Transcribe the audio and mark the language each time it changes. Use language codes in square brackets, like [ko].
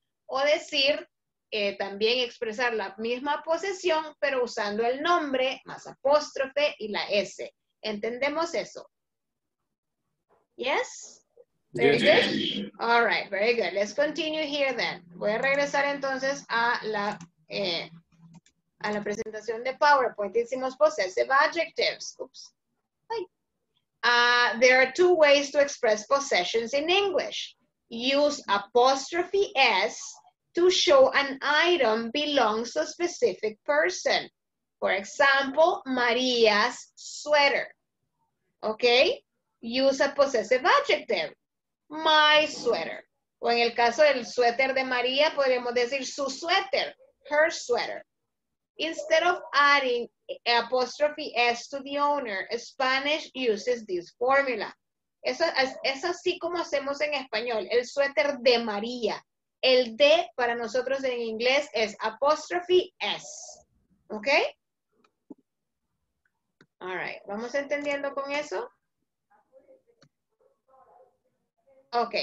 [es] O decir, también expresar la misma posesión, pero usando el nombre, más apóstrofe y la S. ¿Entendemos eso? [en] Yes? Very good. Yes. All right, very good. Let's continue here then. [es] Voy a regresar entonces a la presentación de PowerPoint. Hicimos [en] possessive adjectives. Oops. There are two ways to express possessions in English. Use apostrophe S to show an item belongs to a specific person. For example, Maria's sweater. Okay? Use a possessive adjective. My sweater. [es] O en el caso del suéter de María, podríamos decir su suéter. [en] Her sweater. Instead of adding apostrophe S to the owner, Spanish uses this formula. [es] Es así como hacemos en español. El suéter de María. El de para nosotros en inglés es apostrophe S. ¿Ok? [en] All right. [es] ¿Vamos entendiendo con eso? Ok.